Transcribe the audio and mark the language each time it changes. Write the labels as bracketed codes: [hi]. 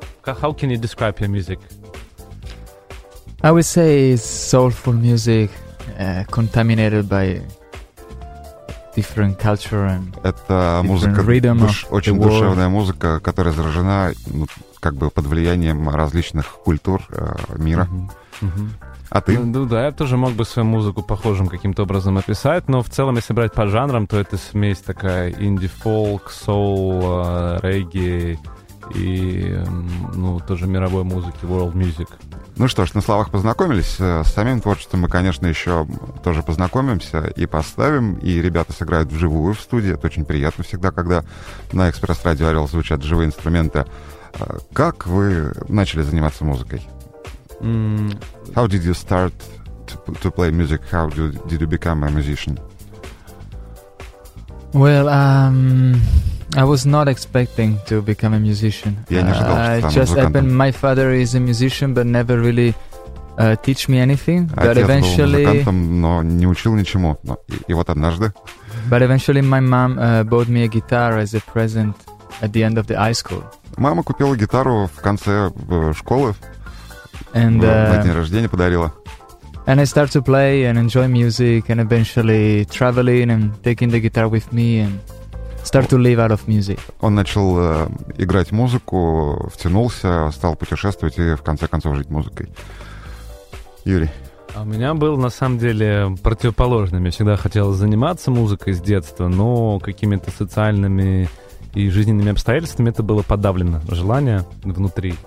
[en] How can you describe your music? I would say it's soulful music, contaminated by different culture and [ru] это музыка очень душевная музыка, которая заражена, ну, как бы под влиянием различных культур мира. А ты? Да, я тоже мог бы свою музыку похожим каким-то образом описать, но в целом, если брать по жанрам, то это смесь такая инди-фолк, соул, регги и, ну, тоже мировой музыки, world music. Ну что ж, на словах познакомились. С самим творчеством мы, конечно, еще тоже познакомимся и поставим. И ребята сыграют вживую в студии. Это очень приятно всегда, когда на Экспресс-радио «Орел» звучат живые инструменты. Как вы начали заниматься музыкой? [en] How did you start to play music? How did you become a musician? Well, I was not expecting to become a musician. Just happened. My father is a musician, but never really teach me anything. But eventually, [ru] но не учил ничему. Но и вот однажды. [en] But eventually, my mom bought me a guitar as a present at the end of the high school. [ru] Мама купила гитару в конце школы. And на день рождения подарила. [en] And I start to play and enjoy music and eventually traveling and taking the guitar with me and start to live out of music. [ru] Он начал играть музыку, втянулся, стал путешествовать и в конце концов жить музыкой. Юрий. А у меня был на самом деле противоположный. Мне всегда хотелось заниматься музыкой с детства, но какими-то социальными и жизненными обстоятельствами это было подавлено, желание внутри.